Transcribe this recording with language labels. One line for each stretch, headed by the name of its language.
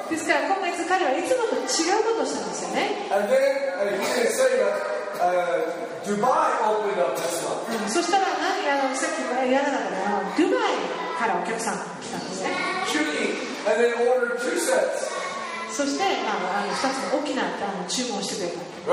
Japanese: ですから今月彼はいつもと違うことをしたんですよね。
English: And then he can say that Dubai opened up this month.
Japanese: そしたら何あのさっき言わなかったのは、Dubaiからお客さんが来たんですね。
English: Tricky. And they ordered two sets.
Japanese: そしてあの2つの大きな注文をしてくれた。